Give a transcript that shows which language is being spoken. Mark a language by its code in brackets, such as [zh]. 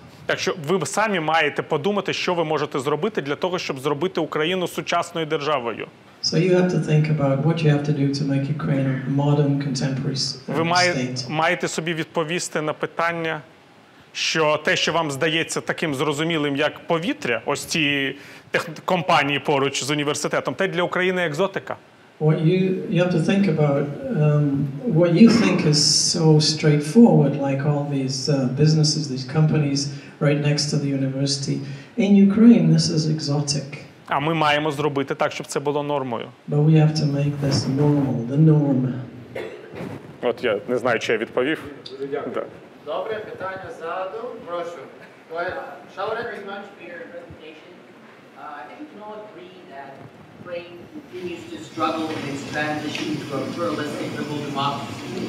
[uk] Так що ви самі маєте подумати, що ви можете зробити для того, щоб зробити Україну сучасною державою. [en] So you have to think about what you have to do to make Ukraine a modern contemporary state. [uk] Ви маєте собі відповісти на питання, що те, що вам здається таким зрозумілим, як повітря, ось ці компанії поруч з університетом, те для України екзотика. [en] You have to think about what you think is so straightforward, like all these businesses, these companies right next to the university. In Ukraine, this is exotic. [uk] А ми маємо зробити так, щоб це було нормою. [en] But we have to make this normal, the norm. [uk] От я не знаю, чи я відповів. Да. Добре, питання ззаду. Прошу. [en] Shall I read very much for your presentation? I think you can all agree that Ukraine continues to struggle with its transition to a pluralistic liberal democracy.